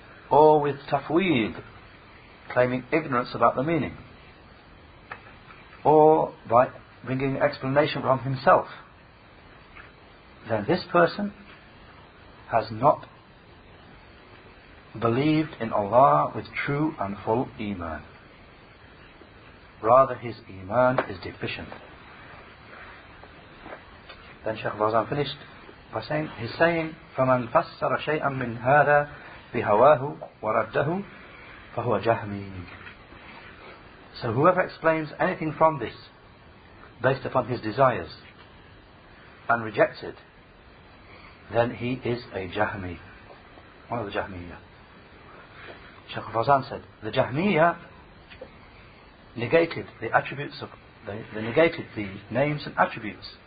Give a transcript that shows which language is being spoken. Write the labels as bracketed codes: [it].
[en] or with tafweed, claiming ignorance about the meaning, or by bringing explanation from himself, then this person has not believed in Allah with true and full iman. Rather, his iman is deficient. Then Shaykh Fawzan finished by saying, he's saying, [ar] فَمَنْ فَسَّرَ شَيْئًا مِّنْ هَذَا بِهَوَاهُ وَرَدَّهُ فَهُوَ جَهْمِيٌّ. [en] So whoever explains anything from this based upon his desires and rejects it, then he is a Jahmi, one of the Jahmiyyah. Shaykh Fawzan said, the Jahmiyyah negated the attributes of, they negated the names and attributes.